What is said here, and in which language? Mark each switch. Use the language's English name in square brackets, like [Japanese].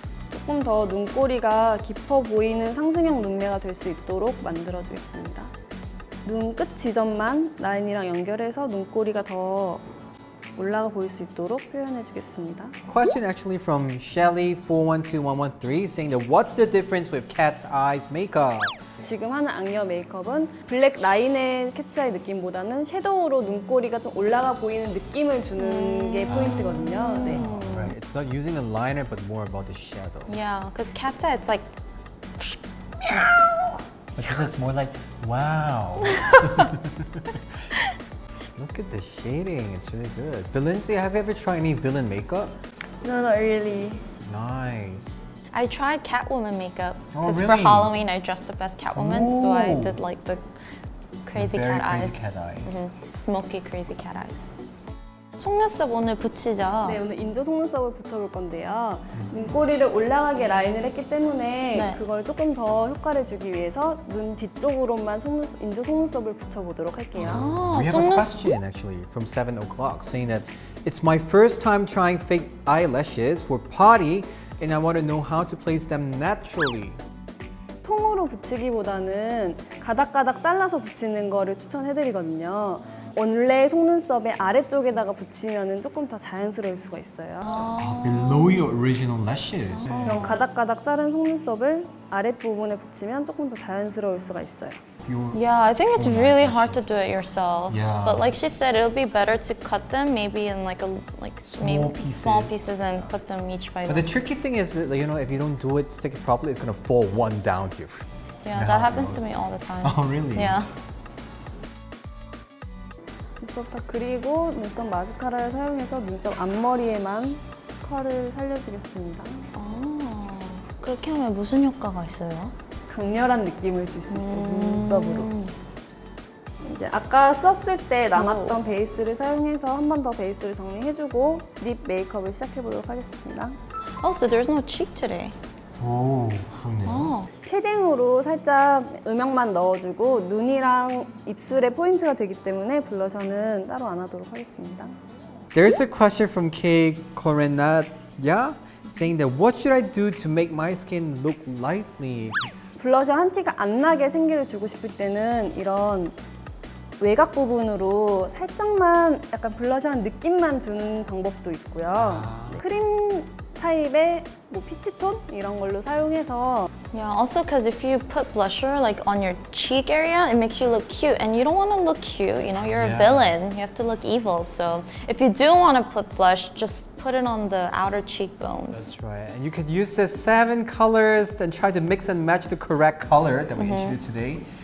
[Korean] 조금 더 눈꼬리가 깊어 보이는 상승형 눈매가 될 수 있도록 만들어주겠습니다. 눈 끝 지점만 라인이랑 연결해서 눈꼬리가 더 올라가 보일 수 있도록 표현해 주겠습니다. [English] Question actually from Shelly412113 saying that what's the difference with cat's eyes makeup? [Korean] 지금 하는 악녀 메이크업은 블랙 라인의 캣츠 아이 느낌보다는 섀도우로 눈꼬리가 좀 올라가 보이는 느낌을 주는 게 포인트거든요. 네. [English] Right. It's not using a liner but more about the shadow. Yeah, because cat's eye it's like meow. Because it's more like wow. Look at the shading, it's really good. Valencia, have you ever tried any villain makeup? No, not really. Nice. I tried Catwoman makeup. Oh, really? Because for Halloween, I dressed up as Catwoman, so I did like the crazy cat eyes. Very crazy cat eyes. Mm-hmm. Smoky crazy cat eyes. [Korean] 속눈썹 오늘 붙이죠? 네, 오늘 인조 속눈썹을 붙여볼 건데요. 눈꼬리를 올라가게 라인을 했기 때문에 네. 그걸 조금 더 효과를 주기 위해서 눈 뒤쪽으로만 인조 속눈썹을 붙여보도록 할게요. [English] We have a question actually from 7 o'clock saying that it's my first time trying fake eyelashes for party and I want to know how to place them naturally. [Korean] 통으로 붙이기보다는 가닥가닥 잘라서 붙이는 거를 추천해드리거든요. 원래 속눈썹의 아래쪽에다가 붙이면은 조금 더 자연스러울 수가 있어요. [English] Below your original lashes. [Korean] 그럼 가닥가닥 자른 속눈썹을 아랫부분에 붙이면 조금 더 자연스러울 수가 있어요. [English] Yeah, I think it's really hard to do it yourself. Yeah. But like she said, it'll be better to cut them maybe in small pieces and put them each by. But the tricky thing is, that, you know, if you don't do it, stick it properly, it's gonna fall one down here. Yeah, that happens to me all the time. Oh, really? Yeah. [Korean] 눈썹 탁 그리고 눈썹 마스카라를 사용해서 눈썹 앞머리에만 컬을 살려주겠습니다. 아, 그렇게 하면 무슨 효과가 있어요? 강렬한 느낌을 줄 수 있어요, 눈썹으로. 이제 아까 썼을 때 남았던 베이스를 사용해서 한 번 더 베이스를 정리해주고 립 메이크업을 시작해보도록 하겠습니다. [English] Oh, so there's no cheek today. [Korean] 오, 그렇네요. 쉐딩으로 살짝 음영만 넣어주고 눈이랑 입술의 포인트가 되기 때문에 블러셔는 따로 안 하도록 하겠습니다. [English] There's a question from K. Corinna, yeah? saying that what should I do to make my skin look lively? [Korean] 블러셔 한 티가 안 나게 생기를 주고 싶을 때는 이런 외곽 부분으로 살짝만 약간 블러셔한 느낌만 주는 방법도 있고요. 크림 타입의 뭐 피치톤 이런 걸로 사용해서 [English] Yeah, also because if you put blusher like on your cheek area, it makes you look cute and you don't want to look cute, you know, you're a villain, you have to look evil. So if you do want to put blush, just put it on the outer cheekbones. That's right. And you could use the 7 colors and try to mix and match the correct color that we introduced today.